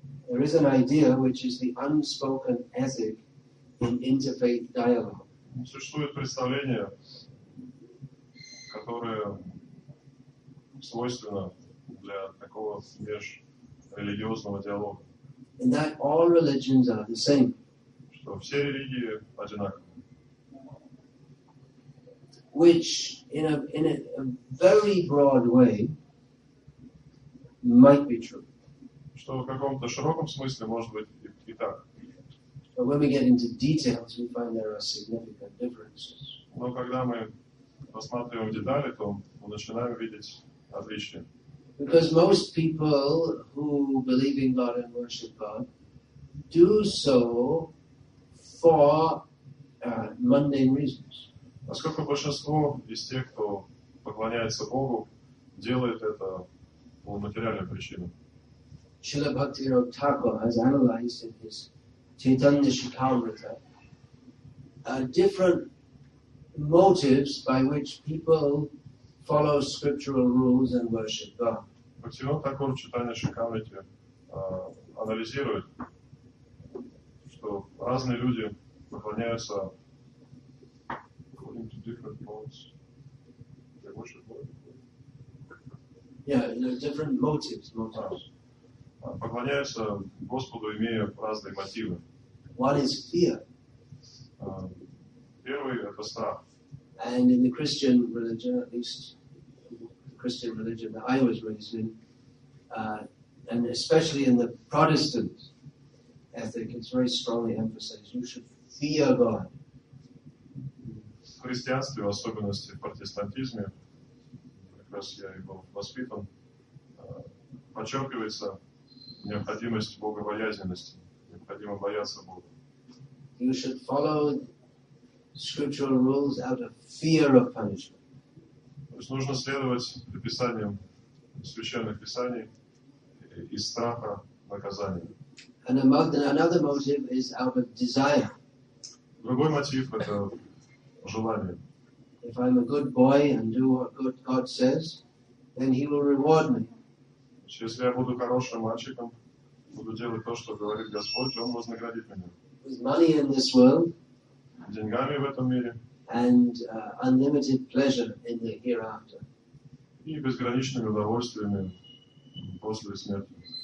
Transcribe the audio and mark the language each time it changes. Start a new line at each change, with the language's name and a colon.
English: There is an idea which is the unspoken ethic in interfaith dialogue.
Russian: Существует представление, которое свойственно для такого межрелигиозного диалога.
English: And that all religions are the same.
Russian: Что все религии одинаковы.
English: Which, in a very broad way, might be true.
Russian: Что в каком-то широком смысле может быть и так.
English: But when we get into details, we find there are significant differences.
Russian: Но когда мы рассматриваем детали, то мы начинаем видеть отличия.
English: Because most people who believe in God and worship God do so for mundane reasons.
Russian: Поскольку большинство из тех, кто поклоняется Богу, делает это по материальным причинам.
English: Śrīla Bhaktivinoda Thakura has analyzed in his Chaitanya Shikhamrita different motives by which people follow scriptural rules and worship God.
Russian: Bhaktivinoda Thakura в Chaitanya Shikhamrita анализирует, что разные люди поклоняются
English: according to different modes. They worship God. Yeah, there are different motives.
Russian: Поклоняются Господу, имея разные мотивы.
English: What is fear?
Russian: Первый — это страх.
English: And in the Christian religion, at least the Christian religion that I was raised in, And especially in the Protestant ethic, it's very strongly emphasized. You should fear God.
Russian: В христианстве, в особенности в протестантизме, как раз я и был воспитан, подчеркивается необходимость богобоязненности, необходимо бояться Бога.
English: You should follow scriptural rules out of fear of punishment.
Russian: То есть нужно следовать предписаниям священных писаний из страха наказания.
English: And another motive is out of desire.
Russian: Другой мотив – это желание.
English: If I'm a good boy and do what good God says, then He will reward me.
Russian: Если я буду хорошим мальчиком, буду делать то, что говорит Господь, Он вознаградит меня.
English: With money in this world,
Russian: деньгами в этом мире,
English: and unlimited pleasure in the hereafter.
Russian: И безграничными удовольствиями после смерти.